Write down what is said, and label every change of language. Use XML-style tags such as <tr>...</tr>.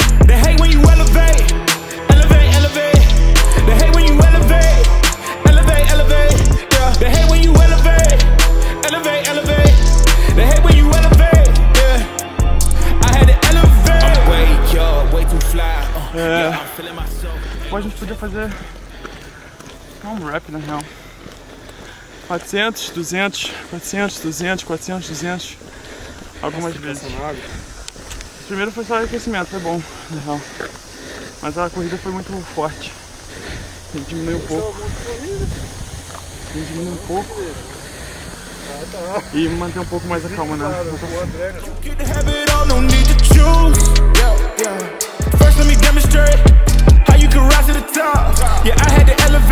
<en>They hate when you elevate, elevate, elevate. They hate when you elevate, elevate, elevate, yeah. They hate when you elevate, elevate, elevate. They hate when you elevate, yeah. I had to elevate. I'm way, y'all, way too fly.</en> <pt>É. Pô, a gente podia fazer um rap, na real. 400, 200, 400, 200, 400, 200. Algumas nossa, vezes. Nada. O primeiro foi só aquecimento, foi bom, na real. Mas a corrida foi muito forte. A gente diminuiu um pouco. A gente diminuiu um pouco. E manter um pouco mais a calma, né?</pt> <en>First let me demonstrate how you can rise to the top. Yeah, I had to</en>